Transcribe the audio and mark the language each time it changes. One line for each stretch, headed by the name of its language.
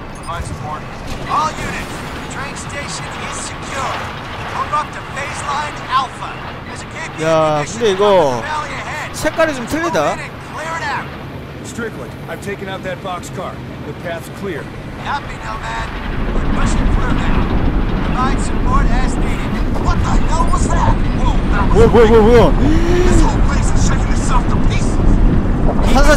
English: All units, the train station is secure. Move up to baseline alpha. There's a KP.
Korean: 야, 근데 이거 색깔이 좀 틀리다.
English: Strickland, I've taken out that boxcar. The path's clear. Copy, Nomad. We're pushing through now. Provide support as needed. What the hell was that? Whoa, that was great. Whoa, whoa, whoa. This whole place is shaking itself to pieces. Keep your